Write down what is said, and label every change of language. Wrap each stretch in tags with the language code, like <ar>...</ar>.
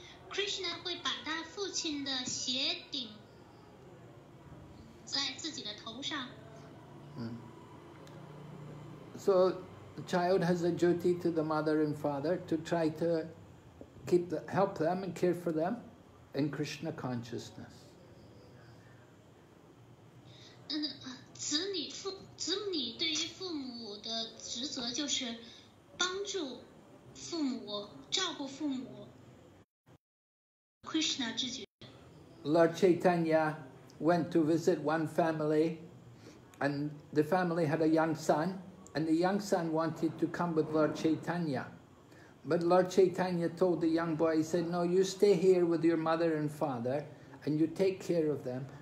<zh>Krishna 会把他父亲的鞋顶在自己的头上。</zh> <en>So the child has a duty to the mother and father to try to keep the, help them and care for them in Krishna consciousness.</en> <zh>子女对于父母的职责就是帮助父母，照顾父母。 Krishna 之举。</zh> <en>Lord Chaitanya went to visit one family, and the family had a young son. And the young son wanted to come with Lord Chaitanya. But Lord Chaitanya told the young boy, he said, no, you stay here with your mother and father, and you take care of them.</en>